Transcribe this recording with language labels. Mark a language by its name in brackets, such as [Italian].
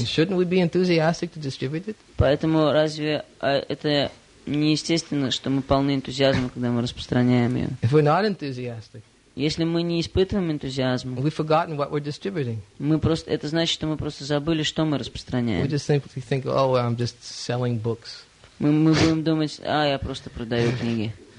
[English] Shouldn't we be enthusiastic to distribute it? [Russian] Поэтому разве это не естественно, что мы полны энтузиазма, когда мы распространяем ее? [English] If we're not enthusiastic, [Russian] если мы не испытываем энтузиазм, [English] we've forgotten what we're distributing. [Russian] Мы просто, это значит, что мы просто забыли, что мы распространяем. [English] We just simply think, oh, I'm just selling books. [Russian] Мы будем думать, а, я просто продаю книги.